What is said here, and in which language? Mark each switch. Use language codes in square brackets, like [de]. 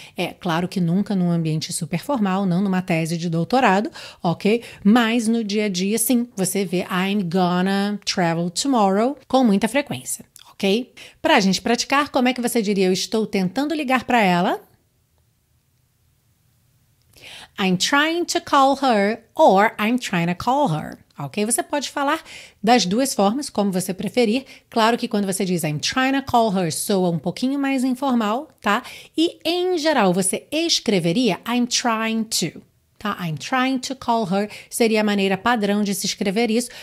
[pt] É claro que nunca num ambiente super formal, não numa tese de doutorado, ok? Mas no dia a dia, sim, você vê [en] I'm gonna travel tomorrow [pt] com muita frequência. Ok? Para a gente praticar, como é que você diria eu estou tentando ligar para ela? [en] I'm trying to call her or I'm trying to call her. Ok? [pt] Você pode falar das duas formas, como você preferir. Claro que quando você diz [en] I'm trying to call her, [pt] soa um pouquinho mais informal, tá? E em geral, você escreveria [en] I'm trying to. I'm trying to call her, [pt] seria a maneira padrão de se escrever isso.